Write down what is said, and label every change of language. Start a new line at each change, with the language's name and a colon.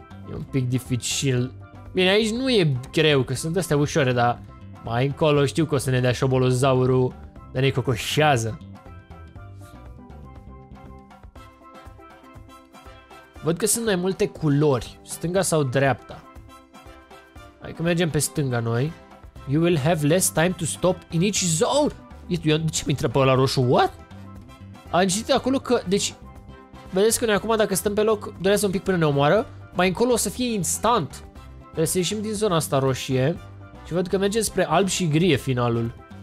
Romanian: E un pic dificil. Bine, aici nu e greu, că sunt astea ușoare, dar mai încolo știu că o să ne dea șobolozaurul, dar ne cocoșează. Văd că sunt mai multe culori, stânga sau dreapta. Hai că mergem pe stânga noi.
English: You will have less time to stop in each zone.
Romanian: Eu, de ce mi-intră pe ăla roșu?
English: What?
Romanian: Am citit acolo că, deci, vedeți că noi acum dacă stăm pe loc, durează un pic până ne omoară. Mai încolo o să fie instant. Trebuie să ieșim din zona asta roșie și văd că mergem spre alb și gri finalul.